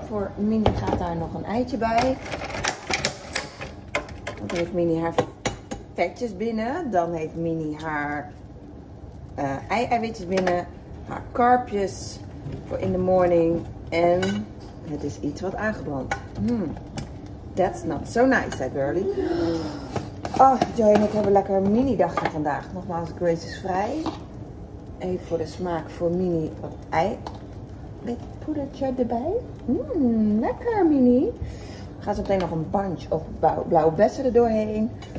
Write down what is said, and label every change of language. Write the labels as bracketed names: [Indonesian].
[Dutch] Voor Mini gaat daar nog een eitje bij. Dan heeft Mini haar vetjes binnen. Dan heeft Mini haar eiwitjes binnen. Haar karpjes voor in de morning. En het is iets wat aangebrand. [English] That's not so nice, [Dutch] zei Burly. Oh, Joy en ik hebben lekker een mini dagje vandaag. Nogmaals, Grace is vrij. Even voor de smaak voor Mini wat ei. Met poedertje erbij. Lekker, Mini. Gaat zo meteen nog een [English] bunch of [Dutch] blauwe bessen erdoorheen.